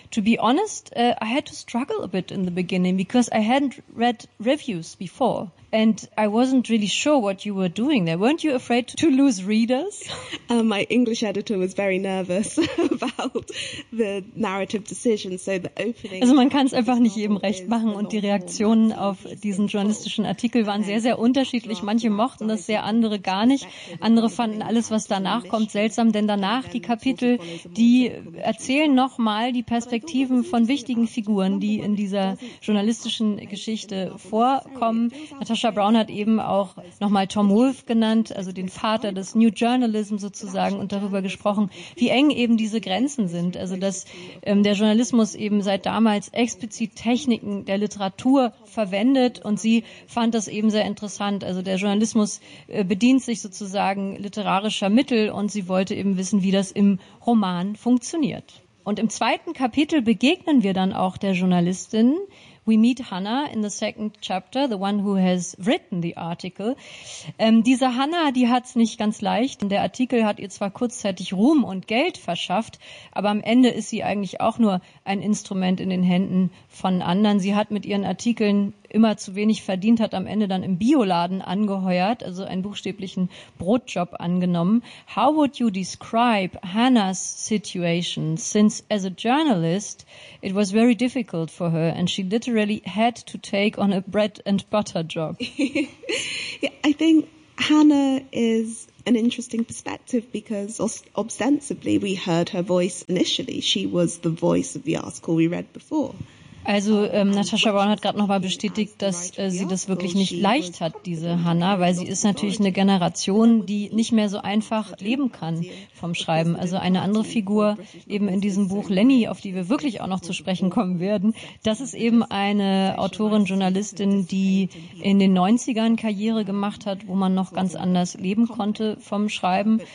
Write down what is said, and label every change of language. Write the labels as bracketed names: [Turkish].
[English] To be honest, I had to struggle a bit in the beginning, because I hadn't read reviews before, and I wasn't really sure what you were doing there. Weren't you afraid to lose readers? My English editor was very nervous about the narrative decision. So the opening. [German] Also man kann es einfach nicht jedem recht machen, und die Reaktionen auf diesen journalistischen Artikel waren sehr, sehr unterschiedlich. Manche mochten das sehr, andere gar nicht. Andere fanden alles, was danach kommt, seltsam, denn danach die Kapitel, die erzählen nochmal die Perspektiven von wichtigen Figuren, die in dieser journalistischen Geschichte vorkommen. Natasha Brown hat eben auch nochmal Tom Wolfe genannt, also den Vater des New Journalism sozusagen, und darüber gesprochen, wie eng eben diese Grenzen sind. Also dass der Journalismus eben seit damals explizit Techniken der Literatur verwendet, und sie fand das eben sehr interessant. Also der Journalismus bedient sich sozusagen literarischer Mittel, und sie wollte eben wissen, wie das im Roman funktioniert. Und im zweiten Kapitel begegnen wir dann auch der Journalistin. [English] We meet Hannah in the second chapter, the one who has written the article. [German] Diese Hannah, die hat's nicht ganz leicht. Der Artikel hat ihr zwar kurzzeitig Ruhm und Geld verschafft, aber am Ende ist sie eigentlich auch nur ein Instrument in den Händen von anderen. Sie hat mit ihren Artikeln immer zu wenig verdient, hat am Ende dann im Bioladen angeheuert, also einen buchstäblichen Brotjob angenommen. [English] How would you describe Hannah's situation? Since as a journalist, it was very difficult for her, and she literally had to take on a bread and butter job. Yeah, I think Hannah is an interesting perspective, because ostensibly we heard her voice initially. She was the voice of the article we read before. [German] Also Natasha Brown hat gerade nochmal bestätigt, dass sie das wirklich nicht leicht hat, diese Hannah, weil sie ist natürlich eine Generation, die nicht mehr so einfach leben kann vom Schreiben. Also eine andere Figur eben in diesem Buch, Lenny, auf die wir wirklich auch noch zu sprechen kommen werden, das ist eben eine Autorin, Journalistin, die in den 90ern Karriere gemacht hat, wo man noch ganz anders leben konnte vom Schreiben.